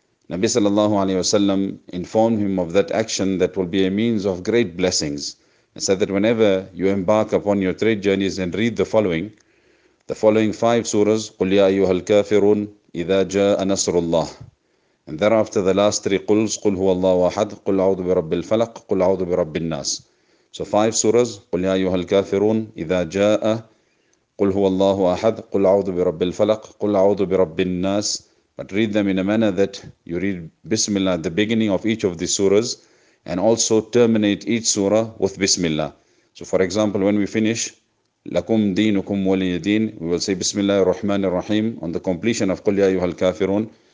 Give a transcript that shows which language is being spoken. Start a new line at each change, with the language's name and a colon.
English: Nabi sallallahu alayhi wa sallam informed him of that action that will be a means of great blessings, and said that whenever you embark upon your trade journeys and read the following five surahs,
Arabic: قُلْ يَا أَيُّهَا الْكَافِرُونَ إِذَا جَاءَ نَصْرُ اللَّهِ,
English: and thereafter the last three quls,
Arabic: قُلْ هُوَ اللَّهُ أَحَدْ, قُلْ أَعُوذُ بِرَبِّ الْفَلَقِ, قُلْ أَعُوذُ بِرَبِّ النَّاسِ.
English: So five surahs,
Arabic: قُلْ يَا أَيُّهَا الْكَافِرُونَ إِذَا جَاءَ, قُلْ هُوَ اللَّهُ أَحَدْ, قُلْ أَعُوذُ بِرَبِّ الْفَلَقِ, قُلْ أَعُوذُ بِرَبِّ النَّاسِ.
English: But read them in a manner that you read Bismillah at the beginning of each of these surahs and also terminate each surah with Bismillah. So for example, when we finish
Arabic: لَكُمْ دِينُكُمْ وَلِيَ دِينَ,
English: we will say Bismillah ar-Rahman ar-Rahim on the completion of
Arabic: قُلْ يَا أَيُّهَا الْكَافِرُونَ.